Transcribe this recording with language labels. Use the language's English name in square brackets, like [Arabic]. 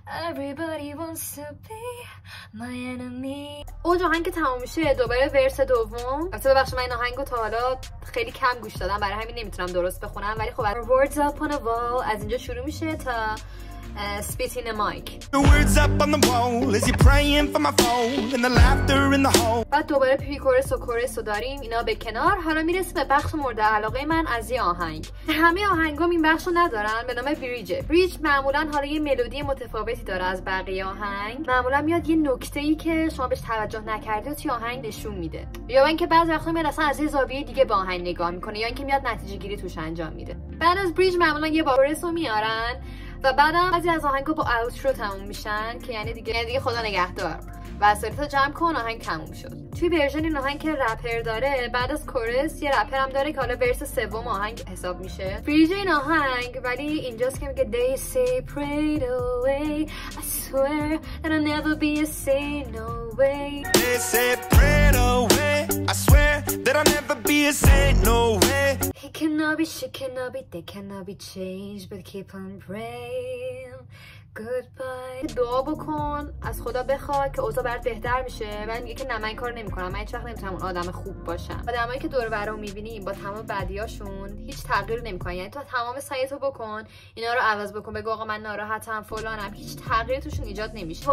[English] Everybody wants to be my enemy. [Persian] اوج آهنگ تموم میشه، دوباره ورس دوم. البته ببخشید من این آهنگو تا حالا خیلی کم گوش دادم، برای همین نمیتونم درست بخونم، ولی خب [English] words up on a wall [Persian] از اینجا شروع میشه تا [English] spitting a mic. The words up on the wall as you praying for my phone and the laughter in the hall. [Persian] بعد دوباره پری کورس و کورس رو داریم اینا به کنار. حالا میرسیم به بخش مورد علاقه من از این آهنگ. همه آهنگام این بخش رو ندارن، به نام بریج. بریج معمولا حالا یه ملودی متفاوتی داره از بقیه آهنگ. معمولا میاد یه نکته ای که شما بهش توجه نکردید توی آهنگ نشون میده. یا اینکه بعضی وقتا میاد اصلا از یه زاویه دیگه به آهنگ نگاه میکنه، یا اینکه میاد نتیجه گیری توش انجام میده. بعد از بریج معمولا یه کورس رو میارن و بعدم بعضی از آهنگا با اوترو تموم میشن، که یعنی دیگه خدا نگهدار وسایلت رو جمع کن، آهنگ تموم شد. توی ورژن این آهنگ که رپر داره، بعد از کورس یه رپر هم داره که حالا ورس سوم آهنگ حساب میشه. بریج این آهنگ ولی اینجاست که میگه [English] They say pray it away, I swear that I'll never be a saint, no way. They say pray it away, I swear that I'll never be a saint, no way. He cannot be, she cannot be, they cannot be changed, but keep on praying. Goodbye. [Persian] دعا بکن، از خدا بخواد که اوضاع برات بهتر میشه. من میگه که نه، من این کارو نمیکنم، من هیچ وقت نمیتونم اون آدم خوب باشم. آدمایی که دور و برمون میبینیم با تمام بدیاشون هیچ تغییری نمیکنن. یعنی تو تمام سعیتو بکن اینا رو عوض بکن، بگو آقا من ناراحتم فلانم، هیچ تغییری توشون ایجاد نمیشه.